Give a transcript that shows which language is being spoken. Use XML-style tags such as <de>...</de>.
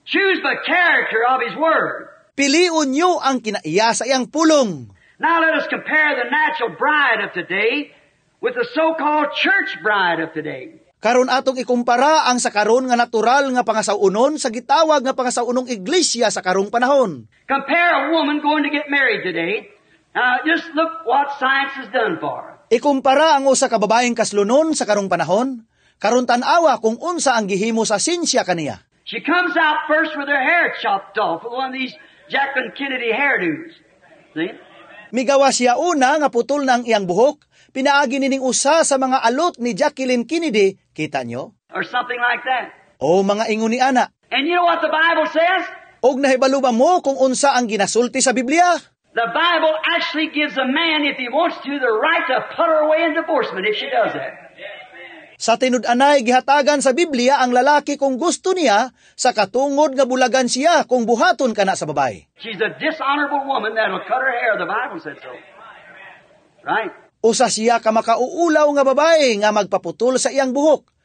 <en>Choose the character of his word.</en> <ceb>Piliun niyo ang kinaiya sa iyang pulong.</ceb> <en>Now let us compare the natural bride of today with the so-called church bride of today.</en> <ceb>Karon atong ikumpara ang sa karon nga natural nga pangasaunon sa gitawag nga pangasaunong iglesia sa karong panahon.</ceb> <en>Compare a woman going to get married today. Just look what science has done for.</en> <ceb>Ikumpara ang usa ka babaeng kaslunon sa karong panahon. Karon tan-awa kung unsa ang gihimo sa sinsya kaniya.</ceb> <en>She comes out first with her hair chopped off with one of these Jacqueline Kennedy hairdos. See?</en> <ceb>Migawa siya una nga putol ng iyang buhok. Pinaagi nining usa sa mga alot ni Jacqueline Kennedy, kita nyo?</ceb> <en>Or something like that.</en> <ceb>O mga ingon ni ana.</ceb> <en>And you know what the Bible says?</en> <ceb>Og nahibalo ba mo kung unsa ang ginasulti sa Biblia?</ceb> <en>The Bible actually gives a man, if he wants to, the right to put her away in divorcement if she does that.</en> <ceb>Sa tinud-anay, gihatagan sa Biblia ang lalaki kung gusto niya sa katungod nga bulagan siya kung buhaton ka na sa babay.</ceb> <en>She's a dishonorable woman that'll cut her hair, the Bible said so. Right?</en> <ceb>Usa siya ka makauulaw nga babae nga magpaputol sa iyang buhok.</ceb>